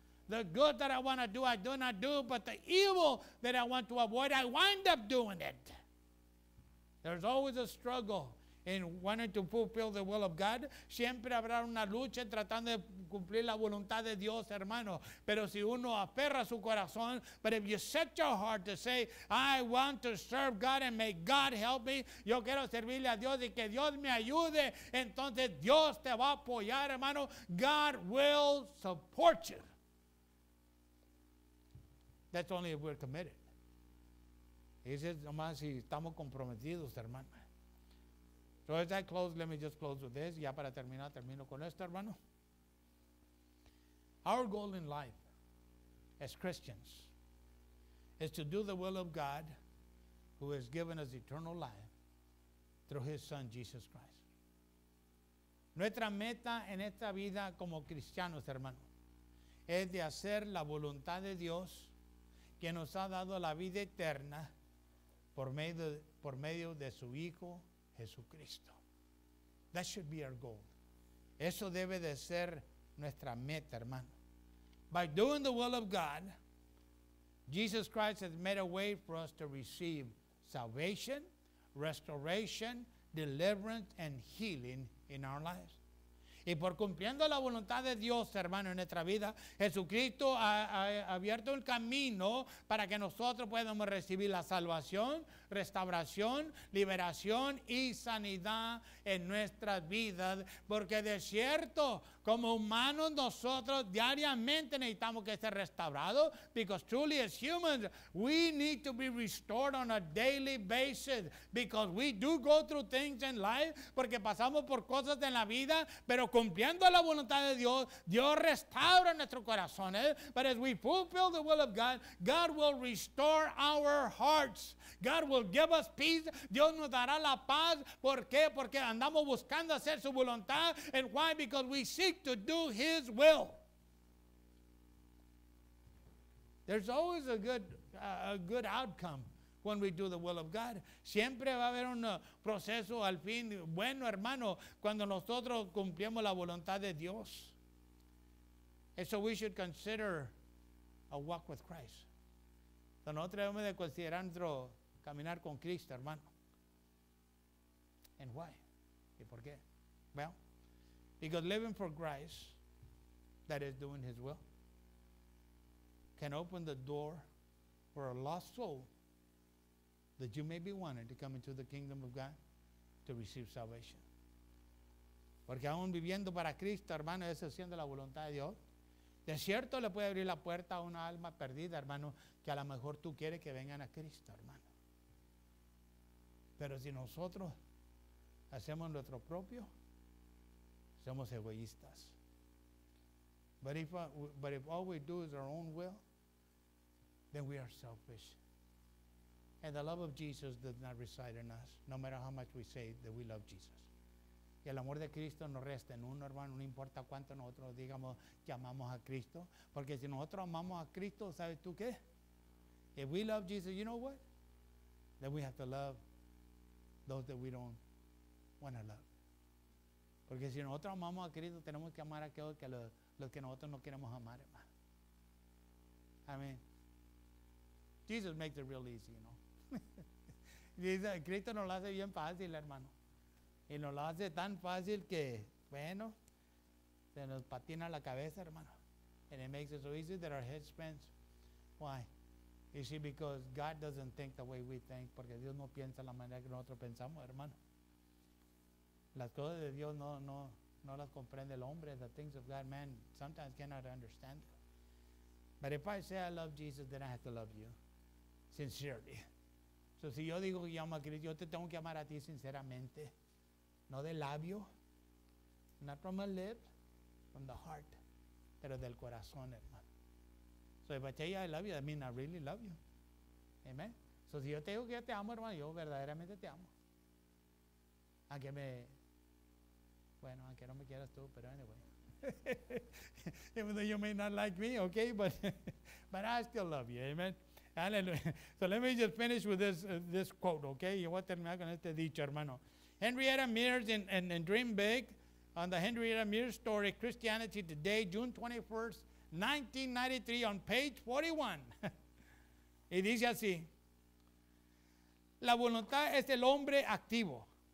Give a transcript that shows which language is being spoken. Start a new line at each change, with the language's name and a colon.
English: The good that I want to do, I do not do, but the evil that I want to avoid, I wind up doing it. There's always a struggle in wanting to fulfill the will of God.
Spanish: Siempre habrá una lucha tratando de cumplir la voluntad de Dios, hermano. Pero si uno aferra su corazón,
English: but if you set your heart to say, I want to serve God and may God help me,
Spanish: yo quiero servirle a Dios y que Dios me ayude, entonces Dios te va a apoyar, hermano.
English: God will support you. That's only if we're committed.
Spanish: Ese es nomás si estamos comprometidos, hermano. So as I close, let me just close with this. Ya para terminar, termino con esto, hermano.
English: Our goal in life as Christians is to do the will of God who has given us eternal life through his son Jesus Christ.
Spanish: Nuestra meta en esta vida como cristianos, hermano, es de hacer la voluntad de Dios que nos ha dado la vida eterna por medio de su Hijo Jesucristo.
English: That should be our goal.
Spanish: Eso debe de ser nuestra meta, hermano.
English: By doing the will of God, Jesus Christ has made a way for us to receive salvation, restoration, deliverance, and healing in our lives.
Spanish: Y por cumpliendo la voluntad de Dios, hermano, en nuestra vida, Jesucristo ha abierto el camino para que nosotros podamos recibir la salvación, restauración, liberación y sanidad en nuestras vidas. Porque de cierto, como humanos, nosotros diariamente necesitamos que ser restaurados.
English: Because truly as humans, we need to be restored on a daily basis. Because we do go through things in life,
Spanish: porque pasamos por cosas en la vida, pero cumpliendo la voluntad de Dios, Dios restaura nuestros corazones.
English: But as we fulfill the will of God, God will restore our hearts. God will give us peace.
Spanish: Dios nos dará la paz. ¿Por qué? Porque andamos buscando hacer su voluntad.
English: And why? Because we seek to do his will. There's always a good outcome when we do the will of God.
Spanish: Siempre va a haber un proceso al fin bueno, hermano, cuando nosotros cumplimos la voluntad de Dios.
English: And so we should consider a walk with Christ.
Spanish: Entonces nosotros debemos de considerar nuestro caminar con Cristo, hermano.
English: And why?
Spanish: ¿Y por qué?
English: Well, because living for Christ, that is doing his will, can open the door for a lost soul that you may be wanted to come into the kingdom of God to receive salvation.
Spanish: Porque aún viviendo para Cristo, hermano, es haciendo la voluntad de Dios. De cierto, le puede abrir la puerta a una alma perdida, hermano, que a lo mejor tú quieres que vengan a Cristo, hermano. Pero si nosotros hacemos nuestro propio, somos egoístas.
English: But if all we do is our own will, then we are selfish. And the love of Jesus does not reside in us, no matter how much we say that we love Jesus.
Spanish: Y el amor de Cristo no resta en uno, hermano, no importa cuánto nosotros digamos que amamos a Cristo. Porque si nosotros amamos a Cristo, ¿sabes tú qué?
English: If we love Jesus, you know what? Then we have to love those that we don't want to love.
Spanish: Porque si nosotros amamos a Cristo, tenemos que amar a aquellos que los que nosotros no queremos amar, hermano.
English: I mean, Jesus makes it real easy, you know.
Spanish: Cristo nos lo hace bien fácil, hermano. Y nos lo hace tan fácil que, bueno, se nos patina la cabeza, hermano.
English: And it makes it so easy that our head spins. Why? You see, because God doesn't think the way we think.
Spanish: Porque Dios no piensa la manera que nosotros pensamos, hermano. Las cosas de Dios no las comprende el hombre.
English: The things of God, man, sometimes cannot understand. But if I say I love Jesus, then I have to love you sincerely.
Spanish: So si yo digo que amo a Cristo, yo te tengo que amar a ti sinceramente. No de labio.
English: Not from a lip. From the heart.
Spanish: Pero del corazón, hermano.
English: So if I tell you I love you, that means I really love you.
Spanish: Amen. So si yo te digo que yo te amo, hermano, yo verdaderamente te amo. Aunque me... Bueno, aunque no me quieras tú, pero anyway.
English: Even though you may not like me, okay, but I still love you, amen. Hallelujah. So let me just finish with this quote, okay?
Spanish: Yo voy a terminar con este dicho, hermano.
English: Henrietta Mears in Dream Big, on the Henrietta Mears story, Christianity Today, June 21st, 1993, on page 41.
Spanish: Y dice así, la voluntad es el hombre activo.